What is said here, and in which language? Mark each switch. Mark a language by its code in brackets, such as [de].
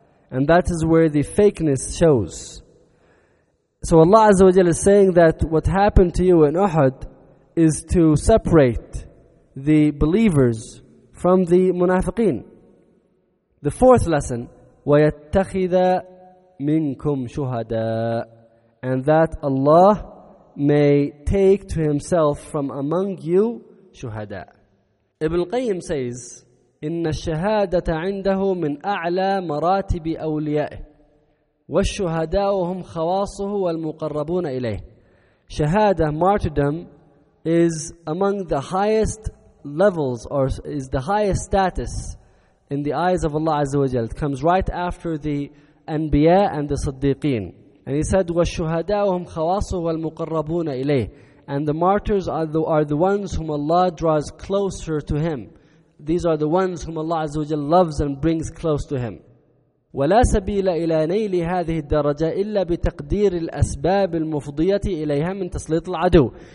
[en] And that is where the fakeness shows. So Allah Azza wa Jalla is saying that what happened to you in Uhud is to separate the believers from the munafiqeen. The fourth lesson, [ar] وَيَتَّخِذَ مِنْكُمْ شُهَدَاءَ, [en] and that Allah may take to Himself from among you shuhada. Ibn Qayyim says, [ar] إِنَّ الشَّهَادَةَ عِنْدَهُ مِنْ أَعْلَى مَرَاتِبِ أَوْلِيَائِهِ وَالشُّهَدَاءُ هُمْ خَوَاصُهُ وَالْمُقَرَّبُونَ إِلَيْهِ. [en] Shahada, martyrdom, is among the highest levels, or is the highest status in the eyes of Allah Azza wa Jalla. It comes right after the Anbiya and the Siddiqeen. And he said, [ar] وَالشُّهَدَاءُ هُمْ خَوَاصُهُ وَالْمُقَرَّبُونَ إِلَيْهِ. [en] And the martyrs are the ones whom Allah draws closer to Him. These are the ones whom Allah Azza wa Jalla loves and brings close to Him. [ar] وَلَا سَبِيلَ إِلَى نَيْلِ هَذِهِ الدَّرَجَةِ إِلَّا بِتَقْدِيرِ الْأَسْبَابِ الْمُفْضِيَةِ إِلَيْهَا مِنْ تَسْلِيطِ الْعَدُوِ.